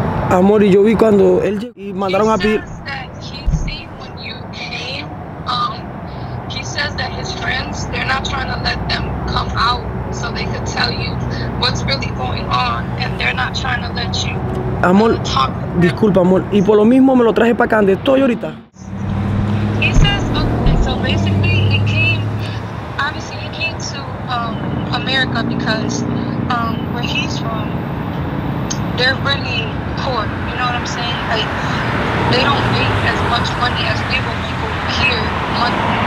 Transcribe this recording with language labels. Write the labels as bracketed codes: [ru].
[es] Amor, yo vi cuando él y mandaron a pedir. [en] He says that his friends, they're not trying to let them come out so they could tell you what's really going on, and they're not trying to let you. [es] Amor, disculpa, amor. Y por lo mismo me lo traje para acá donde estoy ahorita. [en] He says, okay, so basically he came to America because where he's from, they're really poor, you know what I'm saying? Like, they don't make as much money as we will make over here monthly.